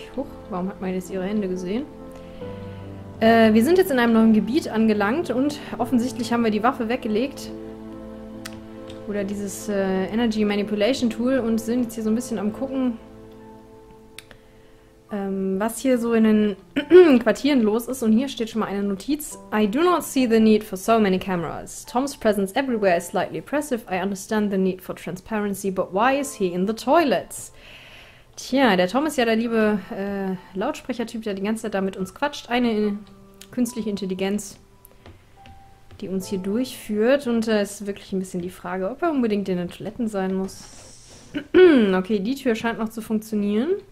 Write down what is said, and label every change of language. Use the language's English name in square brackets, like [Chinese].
[German] Huch, warum hat man jetzt ihre Hände gesehen? Wir sind jetzt in einem neuen Gebiet angelangt und offensichtlich haben wir die Waffe weggelegt. Oder dieses Energy Manipulation Tool und sind jetzt hier so ein bisschen am gucken, was hier so in den Quartieren los ist. Und hier steht schon mal eine Notiz. [English] I do not see the need for so many cameras. Tom's presence everywhere is slightly oppressive. I understand the need for transparency, but why is he in the toilets? [German] Tja, der Tom ist ja der liebe Lautsprechertyp, der die ganze Zeit da mit uns quatscht. Eine künstliche Intelligenz, die uns hier durchführt. Und da ist wirklich ein bisschen die Frage, ob er unbedingt in den Toiletten sein muss. Okay, die Tür scheint noch zu funktionieren.